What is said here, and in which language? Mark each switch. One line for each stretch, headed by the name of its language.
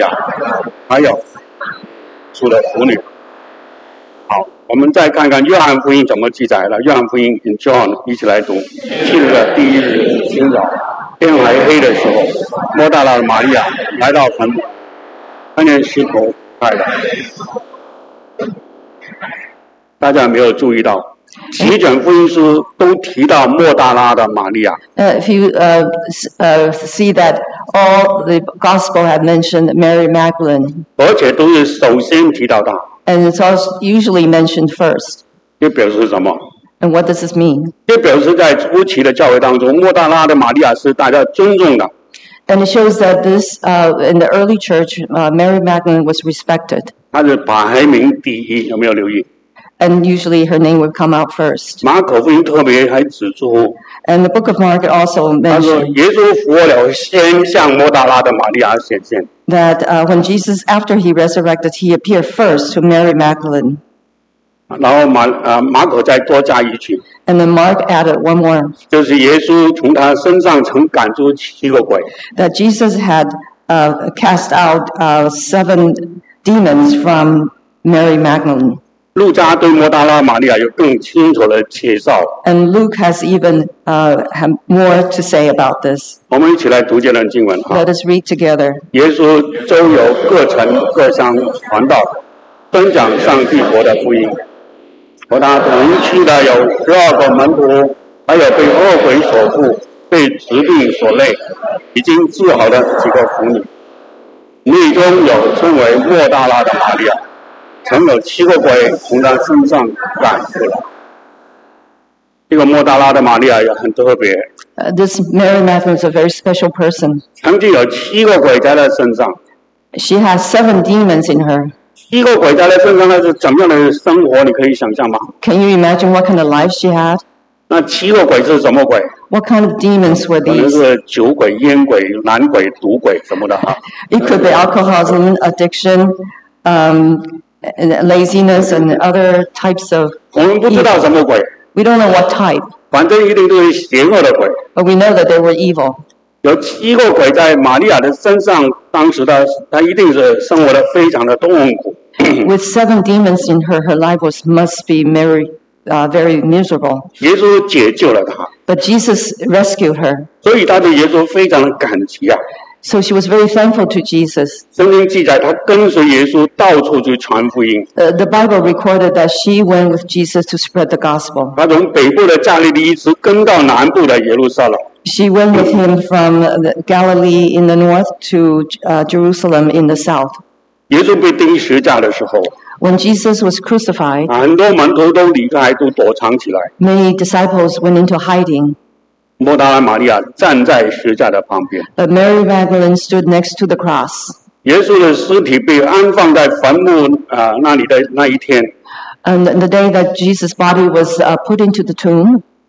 Chinese: 好，我们再看路加福音怎么记载，一起来读。七日的头一日，黎明的时候，那些妇女带着手一杯的香料来到坟前。那告诉底下，那告诉使徒的，就是莫大拉的玛利亚和约拿亚，并雅各的母亲玛利亚，还有主的妇女。我们再看看约翰福音怎么记载了。约翰福音
English: in John，
Chinese: 一起来读。七日的第一日，清早，天还黑的时候，莫大拉的玛利亚来到坟墓，看见石头，害的。大家没有注意到，几卷福音书都提到莫大拉的玛利亚。
English: If you see that all the gospel have mentioned Mary Magdalene.
Chinese: 而且都是首先提到的。
English: And it's also usually mentioned first.
Chinese: 这表示什么?
English: And what does this mean?
Chinese: 这表示在初期的教会当中, 莫大拉的玛利亚是大家尊重的。
English: And it shows that this, in the early church, Mary Magdalene was respected.
Chinese: 她是排名第一, 有没有留意?
English: And usually her name would come out first.
Chinese: 马可福音特别还指出,
English: and the book of Mark also mentions that when Jesus, after he resurrected, he appeared first to Mary Magdalene.
Chinese: 然后马可再多加一句,
English: and then Mark added one more.
Chinese: 就是耶稣从他身上曾赶出七个鬼,
English: that Jesus had cast out seven demons from Mary Magdalene.
Chinese: 路加对摩达拉玛利亚有更清楚的介绍,
English: and Luke has even had more to say about this.
Chinese: 我们一起来读这段经文,
English: let us read together.
Chinese: 耶稣周游各城各乡传道, 分享上帝国的福音。和他同去的有12个门徒, 还有被恶鬼所缚, 被执定所累, 已经治好了几个妇女, 内中有称为莫大拉的玛利亚, 曾有七个鬼, 从他身上赶出来。这个莫大拉的玛利亚也很特别,
English: this Mary Magdalene is a very special person.
Chinese: 曾经有七个鬼在她身上,
English: she has seven demons in her.
Chinese: 七个鬼在她身上是怎么样的生活,你可以想象吗?
English: Can you imagine what kind of life she had?
Chinese: 那七个鬼是什么鬼?
English: What kind of demons were these?
Chinese: 可能是酒鬼,烟鬼,懒鬼,毒鬼什么的,
English: it could be alcoholism, addiction, laziness, and other types of evil. We don't know what type.
Chinese: 反正一定都是邪恶的鬼,
English: but we know that they were evil.
Chinese: 有七个鬼在玛利亚的身上, 当时她一定是生活得非常的痛苦。
English: With seven demons in her, her life was must be very, very miserable.
Chinese: 耶稣解救了她,
English: but Jesus rescued her.
Chinese: 所以她对耶稣非常的感激啊。
English: So she was very thankful to Jesus.
Chinese: 圣经记载她跟随耶稣到处去传福音。
English: The Bible recorded that she went with Jesus to spread the gospel.
Chinese: 她从北部的加利利一直跟到南部的耶路撒冷。
English: She went with him from Galilee in the north to Jerusalem in the south.
Chinese: 耶稣被钉十字架的时候,
English: when Jesus was crucified,
Chinese: 很多门徒都离开,都躲藏起来,
English: many disciples went into hiding.
Chinese: 莫大拉玛利亚站在十字架的旁边,
English: but Mary Magdalene stood next to the cross.
Chinese: 耶稣的尸体被安放在坟墓, 那里的那一天,
English: and the day that Jesus' body was put into the tomb,